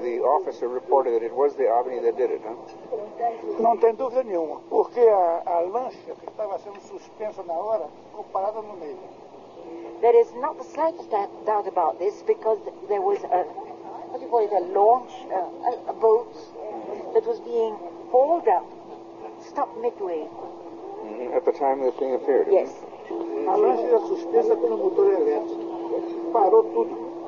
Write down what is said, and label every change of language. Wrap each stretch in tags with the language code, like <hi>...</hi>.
<en>The officer reported that it was the OVNI that did it, huh?</en> <pt>Não tem dúvida nenhuma, porque a lancha que estava sendo suspensa na hora ficou parada no meio.</pt> <en>There is not the slightest doubt about this, because there was a boat that was being hauled up, stopped midway. Mm-hmm. At the time this thing appeared, yes.</en> <pt>A lancha era suspensa pelo motor elétrico. Parou tudo.</pt>